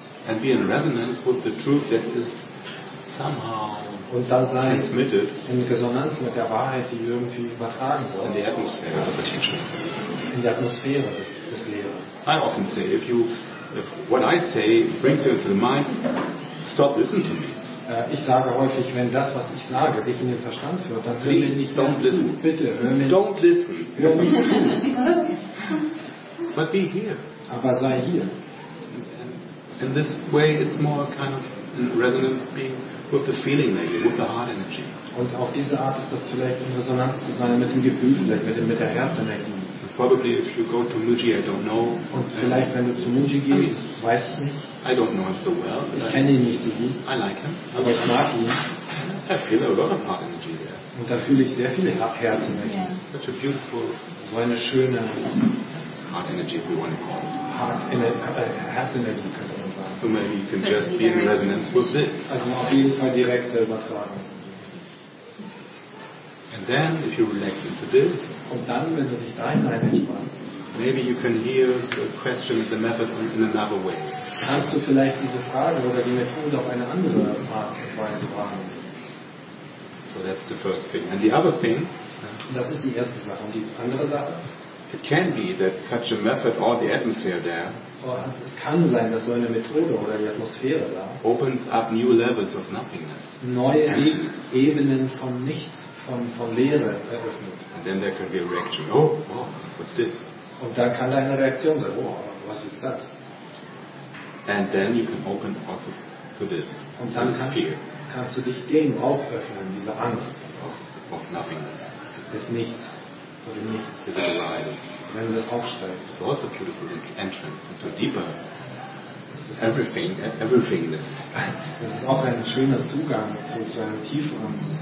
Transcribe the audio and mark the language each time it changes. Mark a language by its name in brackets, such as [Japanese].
[English] and be in resonance with the truth that is somehow [German] und dann sein [English] transmitted [German] in Resonanz mit der Wahrheit, die irgendwie übertragen wird. [English] In the atmosphere of the teacher. [German] In der Atmosphäre des Lehrers. [English] I often say, if what I say brings you into the mind, stop listening to me. [German] Ich sage häufig, wenn das, was ich sage, dich in den Verstand führt, dann hör mir nicht [English] don't [German] zu. [English] Listen. [German] Bitte, hör mir [English] don't listen. [German] Hör mir zu. [English] But be here. [German] Aber sei hier. [English] In this way it's more kind of in resonance being with the feeling maybe, with the heart energy. [German] Und auf diese Art ist das vielleicht in Resonanz zu sein mit dem Gefühl, vielleicht mit der Herzenergie. [English] Probably if you go to Muji, I don't know. [German] Und vielleicht wenn du zu Muji gehst, weißt du nicht. [English] I don't know him so well. [German] Ich kenne ihn nicht so gut. [English] I like him. [German] Aber ich mag ihn. [English] I feel a lot of heart energy there. [German] Und da fühle ich sehr viele Herzenergie. [English] Such a beautiful, [German] so eine schöne [English] heart energy, if you want to call it. [German] Herzenergie könnte man sagen. [English] So maybe you can just be in resonance with this. [German] Also auf jeden Fall direkt übertragen. [English] And then, if you relax into this, [German] und dann, wenn du dich da hinein entspannst, [English] maybe you can hear the question, the method in another way. [German] Kannst du vielleicht diese Frage oder die Methode auf eine andere Art und Weise fragen? [English] So that's the first thing. And the other thing, [German] das ist die erste Sache. Und die andere Sache? [English] It can be that such a method or the atmosphere there. [German] Es kann sein, dass so eine Methode oder die Atmosphäre da [English] opens up new levels of nothingness. [German] Neue Ebenen von Nichts. Von Leere eröffnet. [English] And then there can be a reaction. Oh, what's this? [German] Und dann kann deine Reaktion sein. Oh, was ist das? [English] And then you can open also to this. [German] Und dann kannst du dich dem auch öffnen, dieser Angst. [English] Of nothingness. [German] Des Nichts. Oder Nichts. [English] If it arises. [German] Wenn du das aufsteigst. [English] It's also a beautiful entrance into deeper. Everything, everythingness. [German] Das ist auch ein schöner Zugang zu einem tieferen.